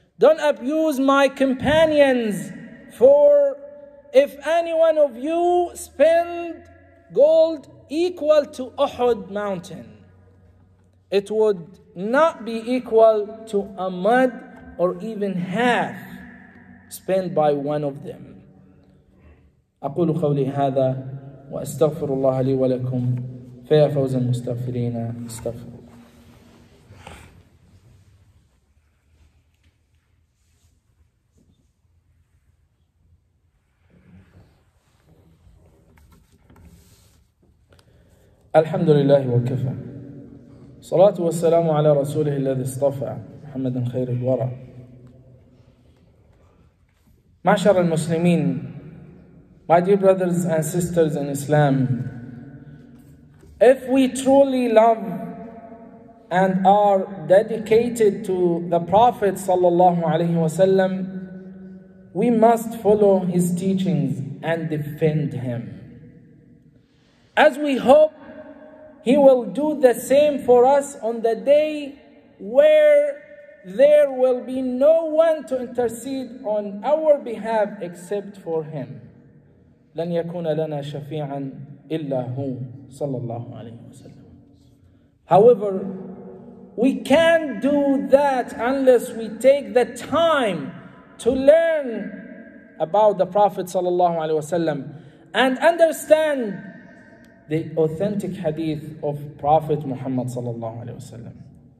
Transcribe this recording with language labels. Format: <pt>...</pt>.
<en>Don't abuse my companions, for if any one of you spend gold equal to Uhud mountain, it would not be equal to a mud or even half spent by one of them.</en> <ar>أقول قولي هذا وأستغفر الله لي ولكم فيا فوز المستغفرين استغفر. الحمد لله وكفى صلاة والسلام على رسوله الذي اصطفى محمد خير الورى. معشر المسلمين,</ar> <en>my dear brothers and sisters in Islam, If we truly love and are dedicated to the Prophet sallallahu alaihi wasallam, we must follow his teachings and defend him. As we hope he will do the same for us on the day where there will be no one to intercede on our behalf except for him.</en> <ar>لن يكون لنا شفيعا إلا هو صلى الله عليه وسلم.</ar> <en>However, we can't do that unless we take the time to learn about the Prophet صلى الله عليه وسلم and understand the authentic hadith of Prophet Muhammad صلى الله عليه وسلم.</en>